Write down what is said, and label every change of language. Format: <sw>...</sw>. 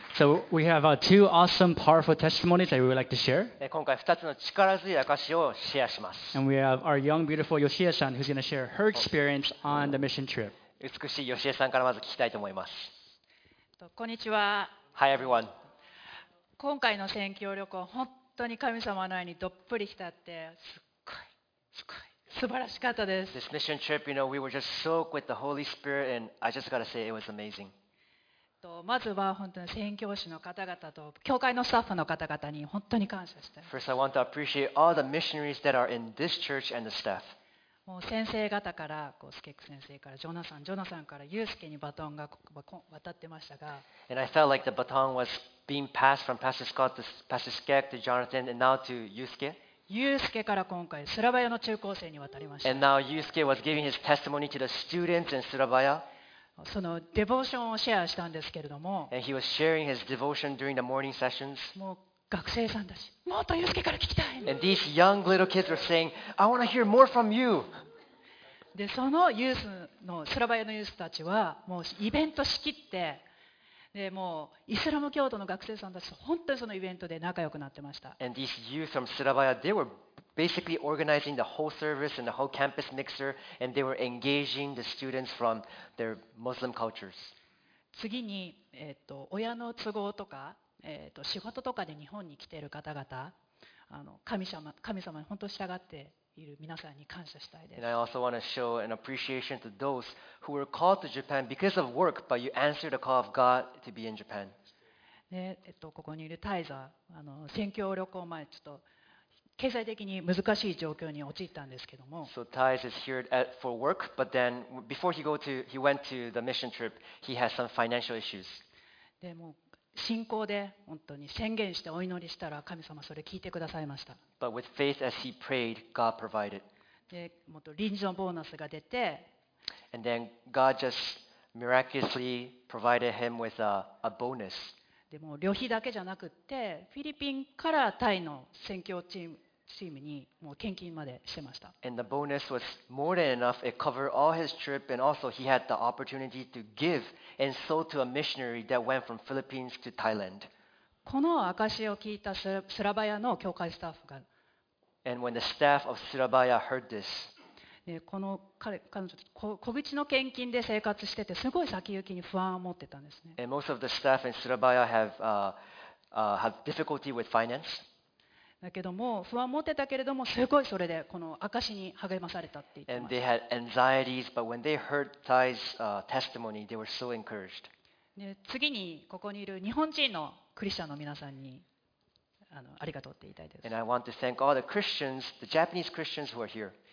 <en>So we have two awesome, powerful testimonies that we would like to share.</en> <ja>今回2つの力強い証をシェアします。</ja> <en>And we have our young, beautiful Yoshie-san who's going to share her experience on the mission trip.</en> <ja>美しい Yoshie さんからまず聞きたいと思います。こんにちは。</ja> <en>Hi, everyone.</en> <ja>今回の宣教旅行、本当に神様の愛にどっぷり浸って、すっごい。素晴らしかったです。</ja> <en>This mission trip, you know, we were just soaked with the Holy Spirit, and I just gotta say it was amazing.</en> <ja>まずは本当に宣教師の方々と教会のスタッフの方々に本当に感謝しています</ja> <en>。 First, I want to appreciate all the missionaries that are in this church and the staff.</en> <ja>もう先生方から、こうスケック先生からジョナサンからユウスケにバトンが渡ってましたが、</ja> <en>And I felt like the baton was being passed from Pastor Scott to Pastor Skek to Jonathan and now to ユウスケ。</en> <ja>ユウスケから今回スラバヤの中高生に渡りました。</ja> <en>And now ユウスケ was giving his testimony to the students in スラバヤ。</en> <ja>そのデボーションをシェアしたんですけれども、</ja> <en>And he was sharing his devotion during the morning sessions.</en> <ja>もう学生さんだし、もっとユウスケから聞きたい。</ja> <en>And these young little kids were saying, I want to hear more from you.</en> <ja>で、そのユースのスラバヤのユースたちはもうイベント仕切って、で、もうイスラム教徒の学生さんたちと本当にそのイベントで仲良くなってました。</ja> <en>And these youth from Surabaya, they were basically organizing the whole service and the whole campus mixer, and they were engaging the students from their Muslim cultures.</en> <ja>次に、親の都合とか、仕事とかで日本に来ている方々、神様に本当に従っている皆さんに感謝したいです。</ja> <en>And I also want to show an appreciation to those who were called to Japan because of work, but you answered the call of God to be in Japan.</en> <ja>で、ここにいるタイザー、宣教旅行前ちょっと経済的に難しい状況に陥ったんですけども。</ja> <en>So Thais is here at for work, but then before he went to the mission trip, he has some financial issues.</en> <ja>でも信仰で本当に宣言してお祈りしたら神様それ聞いてくださいました。</ja> <en>But with faith as he prayed, God provided.</en> <ja>でもっと臨時のボーナスが出て。</ja> <en>And then God just miraculously provided him with a bonus.</en> <ja>でも旅費だけじゃなくて、フィリピンからタイの宣教チームにもう献金までしてました。</ja> <en>And the bonus was more than enough. It covered all his trip, and also he had the opportunity to give and sow to a missionary that went from Philippines to Thailand.</en> <ja>この証を聞いたスラバヤの教会スタッフが、</ja> <en>And when the staff of Surabaya heard this.</en> <ja>この彼女は小口の献金で生活してて、すごい先行きに不安を持ってたんですね。</ja> <en>And most of the staff in Surabaya have difficulty with finance.</en> <ja>だけども、不安を持ってたけれども、すごいそれでこの証に励まされたって言ってました。</ja> <en>And they had anxieties, but when they heard Thai's testimony, they were so encouraged.</en> <ja>次にここにいる日本人のクリスチャンの皆さんに、ありがとうって言いたいです。</ja> <en>And I want to thank all the Christians, the Japanese Christians who are here.</en>